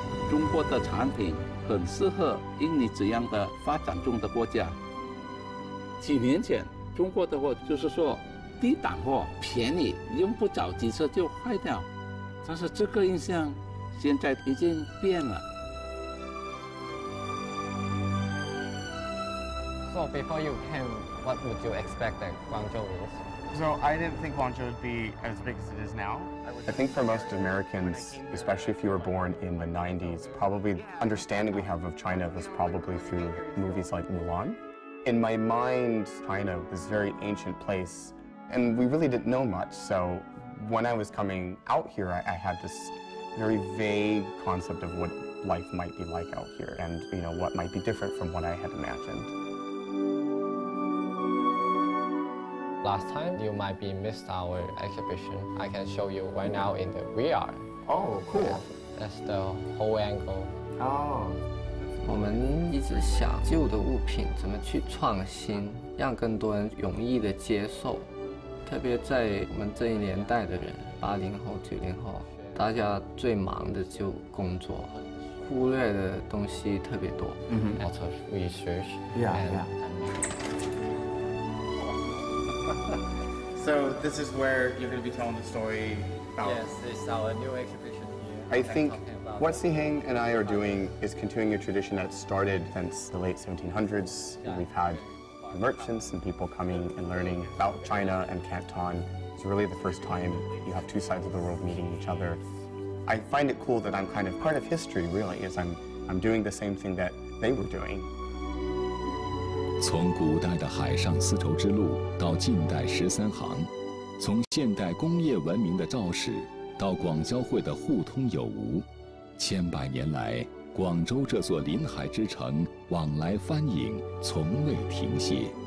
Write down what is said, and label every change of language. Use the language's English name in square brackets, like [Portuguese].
[Chinese] 中国的产品很适合印尼这样的发展中的国家。几年前，中国的货就是说低档货，便宜，用不着几次就坏掉，但是这个印象现在已经变了。 [English] So before you came, what would you expect that Guangzhou is? So I didn't think Guangzhou would be as big as it is now. I think for most Americans, especially if you were born in the 90s, probably understanding we have of China was probably through movies like Mulan. In my mind, China is a very ancient place, and we really didn't know much. So when I was coming out here, I had this very vague concept of what life might be like out here and, you know, what might be different from what I had imagined. Last time, you might be missed our exhibition. I can show you right now in the VR. Oh, cool. Yeah, that's the whole angle. Oh. [Chinese] 我们一直想旧的物品怎么去创新，让更多人容易的接受。特别在我们这一年代的人，80后、90后，大家最忙的就工作，忽略的东西特别多。 [English] Lots of research. So this is where you're going to be telling the story about? Yes, this is our new exhibition here. I think what Siheng and I are doing is continuing a tradition that started since the late 1700s. We've had merchants and people coming and learning about China and Canton. It's really the first time you have two sides of the world meeting each other. I find it cool that I'm kind of part of history, really, as I'm doing the same thing that they were doing. [Chinese] 从古代的海上丝绸之路到近代十三行，从现代工业文明的肇始到广交会的互通有无，千百年来，广州这座临海之城往来翻影从未停歇。